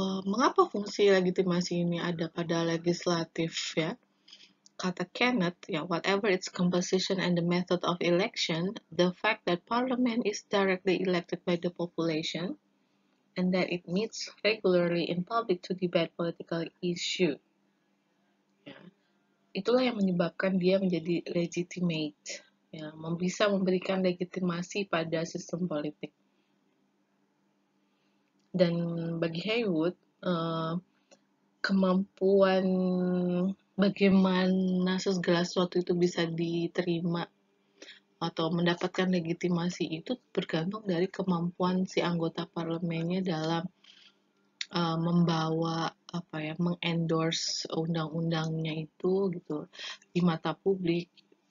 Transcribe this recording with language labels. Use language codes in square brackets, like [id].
[id] Mengapa fungsi legitimasi ini ada pada legislatif ya? Kata Kenneth, ya, [en] whatever its composition and the method of election, the fact that parliament is directly elected by the population and that it meets regularly in public to debate political issue. [id] Ya, itulah yang menyebabkan dia menjadi legitimate, ya, bisa memberikan legitimasi pada sistem politik. Dan bagi Haywood, kemampuan bagaimana segala sesuatu itu bisa diterima atau mendapatkan legitimasi itu bergantung dari kemampuan si anggota parlemennya dalam membawa apa ya, mengendorse undang-undangnya itu gitu di mata publik.